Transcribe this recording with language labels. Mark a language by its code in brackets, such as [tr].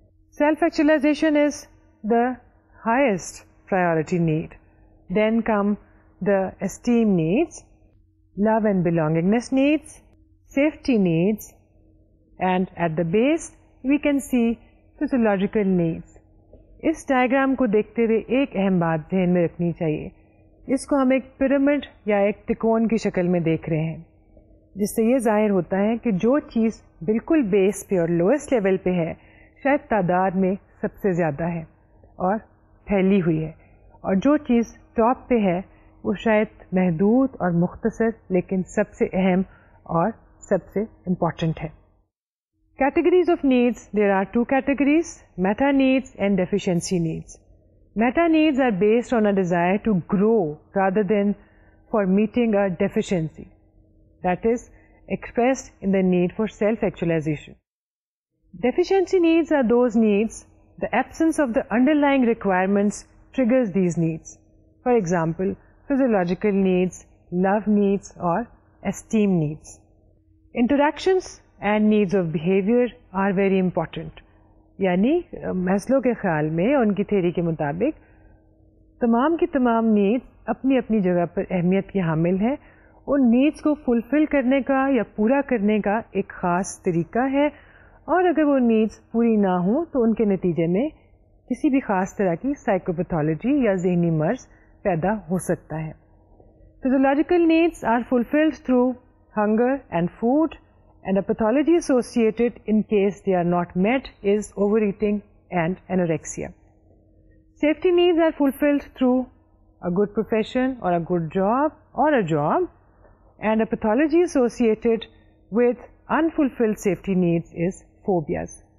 [en] Self-actualization is the highest priority need. Then come the esteem needs, love and belongingness needs, safety needs, and at the base we can see physiological needs. [ur] Is diagram ko dekhte hue ek ahem baat dhyan mein rakhni chahiye. اس کو ہم ایک pyramid یا ایک تکون کی شکل میں دیکھ رہے ہیں, جس سے یہ ظاہر ہوتا ہے کہ جو چیز بالکل بیس پہ اور لوئسٹ لیول پہ ہے شاید تعداد میں سب سے زیادہ ہے اور پھیلی ہوئی ہے, اور جو چیز ٹاپ پہ ہے وہ شاید محدود اور مختصر لیکن سب سے اہم اور سب سے امپورٹنٹ ہے. [en] Categories of needs, there are two categories, meta needs and deficiency needs. Meta needs are based on a desire to grow rather than for meeting a deficiency that is expressed in the need for self-actualization. Deficiency needs are those needs, the absence of the underlying requirements triggers these needs. For example, physiological needs, love needs or esteem needs. Interactions and needs of behavior are very important. [ur] یعنی Maslow کے خیال میں ان کی theory کے مطابق تمام کی تمام نیڈس اپنی اپنی جگہ پر اہمیت کی حامل ہیں. ان نیڈس کو فلفل کرنے کا یا پورا کرنے کا ایک خاص طریقہ ہے, اور اگر وہ نیڈس پوری نہ ہوں تو ان کے نتیجے میں کسی بھی خاص طرح کی سائیکوپیتھولوجی یا ذہنی مرض پیدا ہو سکتا ہے. [en] Physiological needs are fulfilled through hunger and food. And a pathology associated in case they are not met is overeating and anorexia. Safety needs are fulfilled through a good profession or a good job or a job. And a pathology associated with unfulfilled safety needs is phobias.